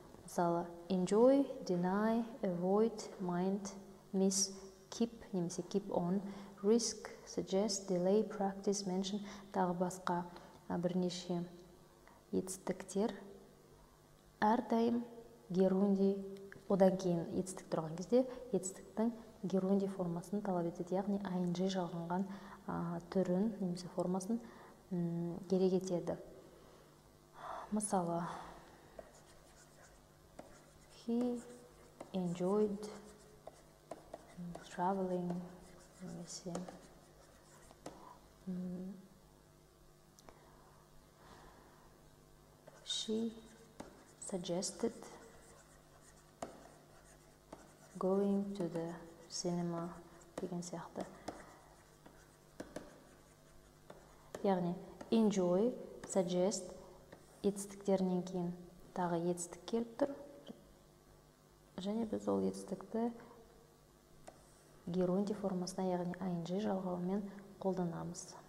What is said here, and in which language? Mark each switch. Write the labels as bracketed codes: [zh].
[kk] Мысалы, enjoy, deny, avoid, mind, miss, keep, немесе keep on, risk, suggest, delay, practice, mention, тағы басқа бірнеше етістіктер әрдайым герунди, одан кейін етістік тұрған кезде етістіктің герунди формасын талап етеді, яғни ing жалғанған түрін немесе формасын керек етеді. Мысалы, [en] he enjoyed traveling, [kk] немесе [en] she suggested going to the cinema [kk] деген сияқты. Яғни enjoy, suggest етістіктерінен кейін тағы етістік келіп тұр. Және біз ол етістікті герунди формасына, яғни ing жалғауымен қолданамыз.